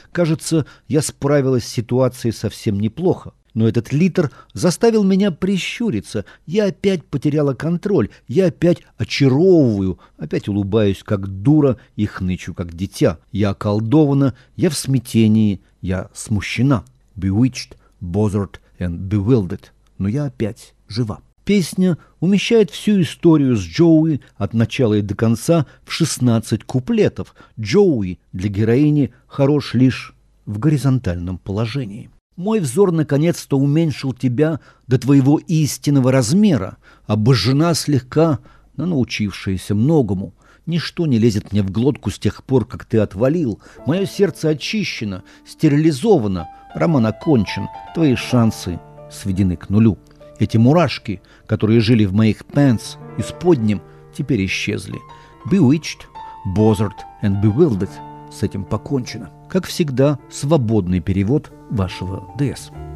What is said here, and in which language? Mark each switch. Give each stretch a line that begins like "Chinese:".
Russian: Кажется, я справилась с ситуацией совсем неплохо. Но этот литр заставил меня прищуриться. Я опять потеряла контроль. Я опять очаровываю. Опять улыбаюсь, как дура, и хнычу, как дитя. Я околдована, я в смятении, я смущена.
English: Bewitched, bothered and bewildered.
Russian: Но я опять жива». Песня умещает всю историю с Джоуи от начала и до конца в 16 куплетов. Джоуи для героини хорош лишь в горизонтальном положении. «Мой взор наконец-то уменьшил тебя до твоего истинного размера, обожжена слегка, но научившаяся многому. Ничто не лезет мне в глотку с тех пор, как ты отвалил. Мое сердце очищено, стерилизовано, роман окончен, твои шансы сведены к нулю. Эти мурашки, которые жили в моих пэнс и споднем, теперь исчезли.
English: Bewitched, bothered and bewildered.
Russian: С этим покончено». Как всегда, свободный перевод вашего ДС.